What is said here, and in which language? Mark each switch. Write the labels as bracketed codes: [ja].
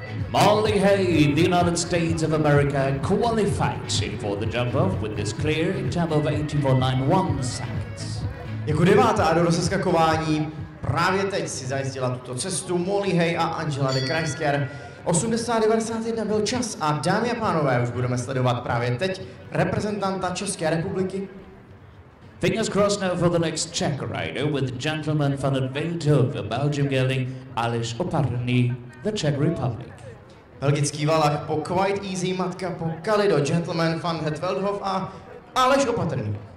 [en] Molly Hay, the United States of America, qualifies for the jump-off with this clear jump of 8491 seconds. [cs] Jako devátá do rozeskakování právě teď si zajistila tuto cestu Molly Hay a Angela de Kreisker. 80.91 byl čas a dámy a pánové, už budeme sledovat právě teď reprezentanta České republiky. [en] Fingers crossed now for the next Czech rider with gentleman van der Veldhoven, the Belgian gelding, Aleš Oparný, the Czech Republic. [cs] Belgický valach po Quite Easy, matka po Kalido, Gentleman, Van Het Veldhof a Aleš Opatrný.